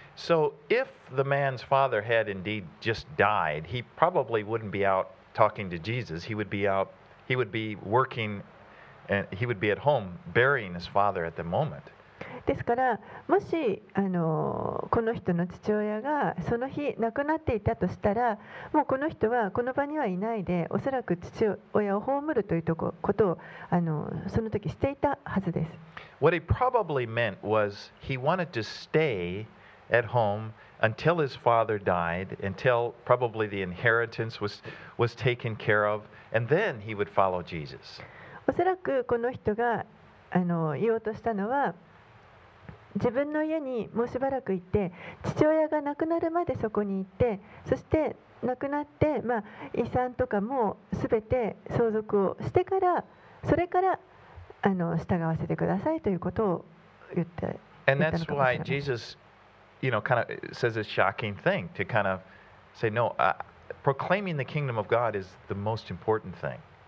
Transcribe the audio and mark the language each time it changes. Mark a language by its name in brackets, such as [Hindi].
[English] So if the man's father had indeed just died, he probably wouldn't be out talking to Jesus. He would be working and he would be at home burying his father at the moment. [Japanese] ですから、もしこの人の父親がその日亡くなっていたとしたら、もうこの人はこの場にはいないで、おそらく父親を葬るということをその時していたはずです。 [English] What he probably meant was he wanted to stay at home until his father died, until probably the inheritance was taken care of, and then he would follow Jesus. [Japanese] おそらくこの人が言おうとしたのは、自分の家にもうしばらくいて、父親が亡くなるまでそこに行って、そして亡くなって、まあ、遺産とかもすべて相続をしてから、それから従わせてくださいということを言って。 [English] And that's why Jesus, you know, kind of says a shocking thing to kind of say, no, proclaiming the kingdom of God is the most important thing.